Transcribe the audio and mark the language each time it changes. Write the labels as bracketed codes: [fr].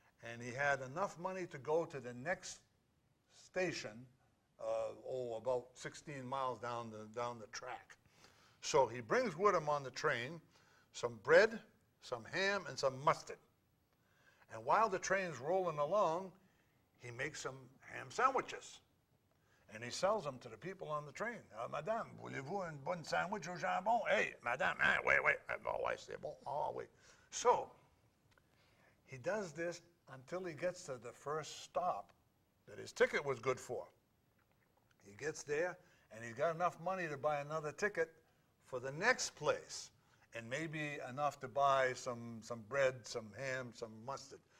[en] And he had enough money to go to the next station, about 16 miles down the track. So he brings with him on the train some bread, some ham, and some mustard. And while the train's rolling along, he makes some ham sandwiches. And he sells them to the people on the train. [fr] Madame, voulez-vous un bon sandwich au jambon? [en] Hey, madame, hey, wait. Oh, I say, bon, oh, wait. So he does this until he gets to the first stop that his ticket was good for. He gets there, and he's got enough money to buy another ticket for the next place, and maybe enough to buy some bread, some ham, some mustard.